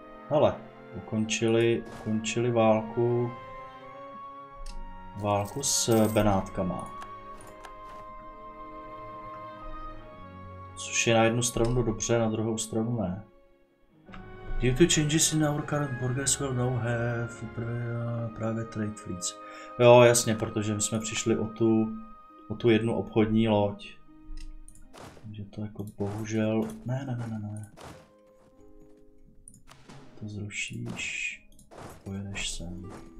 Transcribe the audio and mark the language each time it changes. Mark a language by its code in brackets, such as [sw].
[cs] Hele, ukončili válku s Benátkama. Což je na jednu stranu dobře, na druhou stranu ne. [en] Due to changes in our current borders will now have private trade fleets. [cs] Jo, jasně, protože my jsme přišli o tu jednu obchodní loď. Takže to jako bohužel... Ne. To zrušíš, pojedeš sem.